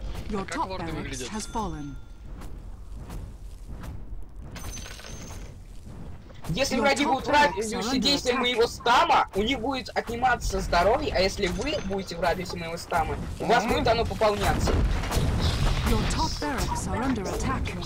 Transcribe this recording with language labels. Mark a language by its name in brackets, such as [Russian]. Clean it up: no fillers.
[English] Your top barracks has fallen. [Russian] Если враги будут в радиусе действия моего стама, у них будет отниматься здоровье, а если вы будете в радиусе моего стама, у вас будет оно пополняться. [English] Your top barracks are under attack.